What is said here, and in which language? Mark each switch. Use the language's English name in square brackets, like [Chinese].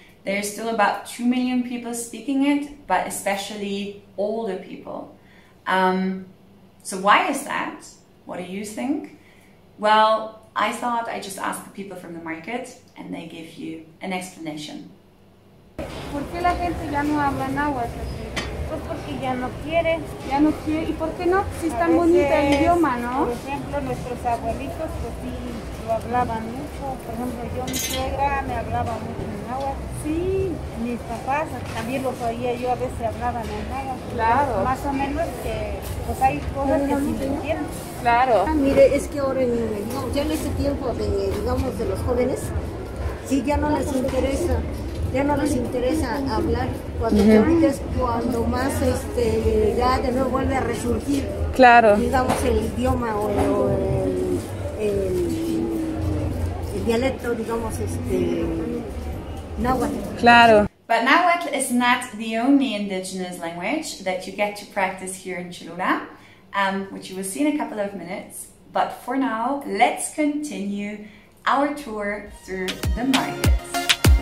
[English] There's still about 2 million people speaking it, but especially older people. So why is that? What do you think? Well, I thought I'd just ask the people from the market and they give you an explanation. [Spanish] ¿Por qué la gente ya no habla náhuatl? Pues porque ya no quiere. Ya no quiere. ¿Y por qué no? Si es tan bonito el idioma, ¿no? Por ejemplo, nuestros abuelitos, pues sí, lo hablaban mucho. Por ejemplo, yo, mi suegra, me hablaba mucho en náhuatl. Sí. Mis papás también los oía, yo a veces hablaba en náhuatl. Claro. Pues, más o menos que, pues hay cosas que sí entienden. Claro. Ah, mire, es que ahora, ya en este tiempo, de los jóvenes, sí, ya no les interesa. Ya no les interesa hablar cuando ahorita es cuando más ya de nuevo vuelve a resurgir. Claro. Digamos el idioma o el dialecto, digamos, náhuatl. Claro. [English] But náhuatl is not the only indigenous language that you get to practice here in Cholula, which you will see in a couple of minutes. But for now, let's continue our tour through the markets.